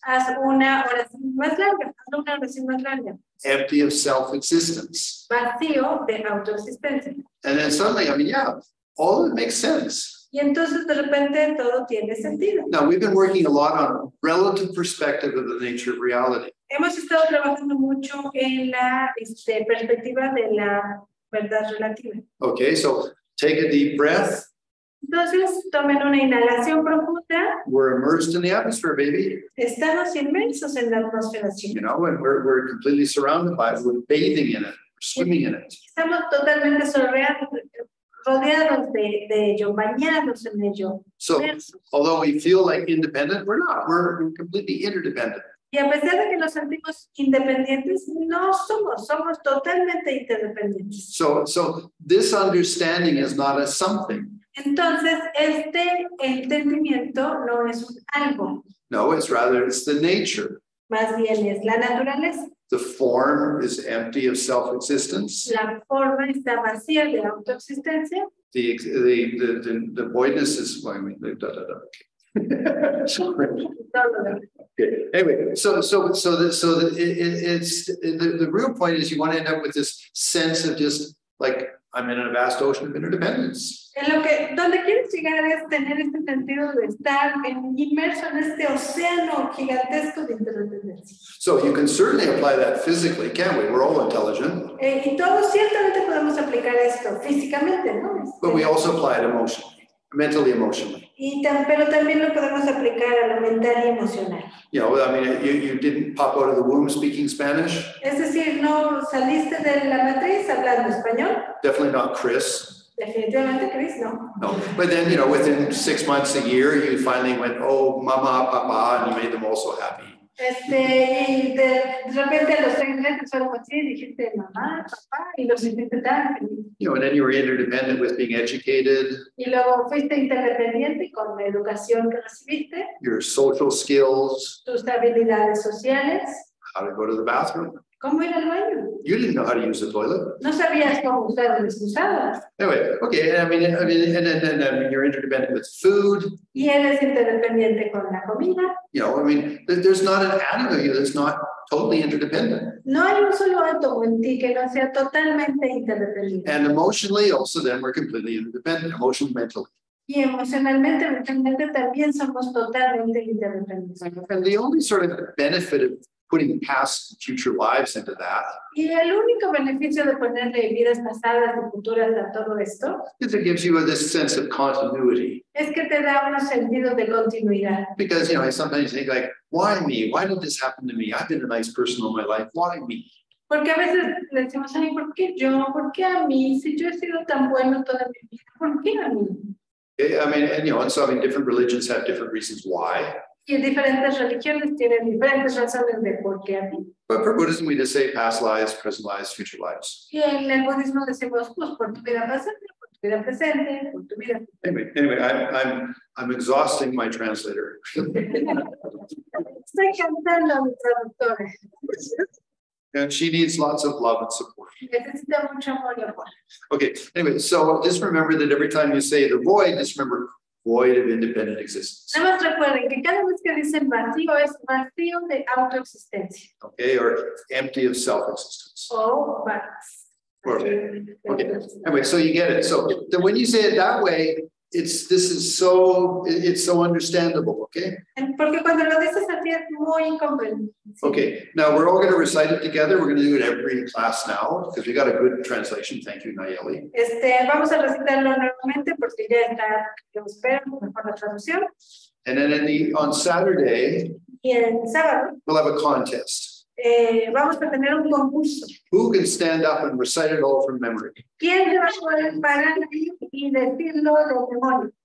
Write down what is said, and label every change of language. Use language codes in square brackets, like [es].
[es] Haz una oración más larga, haz una oración más larga. [en] Empty of self-existence. [es] Vacío de autoexistencia. [en] And then suddenly, I mean, yeah, all of it makes sense. [es] Y entonces de repente todo tiene sentido. [en] Now, we've been working a lot on a relative perspective of the nature of reality. [es] Hemos estado trabajando mucho en la perspectiva de la verdad relativa. [en] Okay, so take a deep breath. [es] Entonces, tomen una inhalación profunda. [en] We're immersed in the atmosphere, baby. [es] Estamos inmersos en la atmósfera, chico. [en] You know, and we're completely surrounded by it. We're bathing in it, swimming in it. [es] Estamos totalmente rodeados de ello, bañados en ello. [en] So, although we feel like independent, we're not. We're completely interdependent. [es] Y a pesar de que nos sentimos independientes, no somos, somos totalmente interdependientes. [en] So this understanding is not a something. [es] Entonces, este entendimiento no es un algo. [en] No, it's rather, it's the nature. [es] Más bien es la naturaleza. [en] The form is empty of self-existence. [es] La forma está vacía de autoexistencia. [en] The voidness is, well, I mean, the real point is you want to end up with this sense of just like I'm in a vast ocean of interdependence. [es] En lo que donde quieres llegar es tener este sentido de estar inmerso en este océano gigantesco de interdependencia. [en] So you can certainly apply that physically, can't we? We're all intelligent. [es] Y todos ciertamente podemos aplicar esto físicamente, ¿no? [en] But we also apply it emotionally. Mentally, emotionally. [es] Pero también lo podemos aplicar a lo mental y emocional. [en] You know, I mean, you didn't pop out of the womb speaking Spanish. [es] Es decir, no saliste de la matriz hablando español. [en] Definitely not Chris. [es] Definitivamente Chris, no. [en] No, but then, you know, within 6 months, a year, you finally went, oh, mama, papa, and you made them also happy. You know, and then you were interdependent with being educated. [es] Y luego fuiste interdependiente con la educación que recibiste. [en] Your social skills. [es] Tus habilidades sociales. [en] How to go to the bathroom. [es] ¿Cómo ir al baño? [en] You didn't know how to use the toilet. [es] No sabías cómo usar el excusado. [en] Anyway, okay, and you're interdependent with food. [es] Y eres interdependiente con la comida. [en] You know, I mean, there's not an atom of you that's not totally interdependent. [es] No hay un solo átomo en ti que no sea totalmente interdependiente. [en] And emotionally, also then, we're completely interdependent, emotionally, mentally. [es] Y emocionalmente, mentalmente, también somos totalmente interdependientes. [en] And the only sort of benefit of putting past future lives into that. [es] Y el único beneficio de ponerle vidas pasadas y futuras a todo esto [en] is it gives you this sense of continuity. [es] Es que te da un sentido de continuidad. [en] Because, you know, I sometimes think like, why me? Why did this happen to me? I've been a nice person all my life. Why me? [es] Porque a veces decimos, ay, ¿por qué yo? ¿Por qué a mí? Si yo he sido tan bueno toda mi vida, ¿por qué a mí? [en] I mean, and, you know, and so I mean, different religions have different reasons why. [es] Y diferentes religiones tienen diferentes razones de por qué a mí. [en] But for Buddhism, we just say past lives, present lives, future lives. [es] Y en el budismo decimos, pues, por tu vida pasada, por tu vida presente, por tu vida. [en] Anyway, I'm exhausting my translator. [es] Estoy cansando a mi traductora. [en] And she needs lots of love and support. [es] Necesita mucho amor y amor. [en] Okay, anyway, so just remember that every time you say the void, just remember void of independent existence. [es] Nada más recuerden que cada vez que dicen vacío es vacío de autoexistencia. [en] Okay, or empty of self-existence. [es] Oh, vacío. [en] Okay, anyway, so you get it. So then when you say it that way, it's so understandable, okay? [es] Porque cuando lo dices así es muy incomprensible. [en] Okay, now we're all going to recite it together. We're going to do it every class now because we got a good translation. Thank you, Nayeli. [es] Vamos a recitarlo nuevamente porque ya está, yo espero, mejor la traducción. [en] And then on Saturday, [es] sábado, [en] we'll have a contest. [es] Vamos a tener un concurso. [en] Who can stand up and recite it all from memory? [es] ¿Quién se va a poder parar ahí y decirlo de memoria?